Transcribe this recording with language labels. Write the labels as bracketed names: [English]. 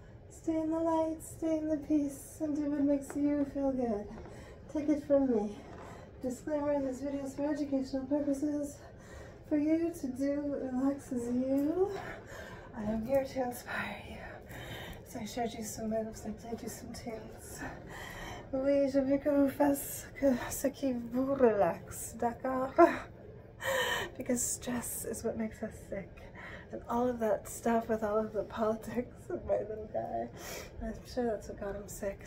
[English] Stay in the light, stay in the peace, and if it makes you feel good, take it from me. Disclaimer, this video is for educational purposes. For you to do relaxes you. I am here to inspire you. So I showed you some moves, I played you some tunes. [French] Oui, je veux que vous fassiez ce qui vous relaxe, d'accord? [English] Because stress is what makes us sick. And all of that stuff with all of the politics of my little guy, I'm sure that's what got him sick.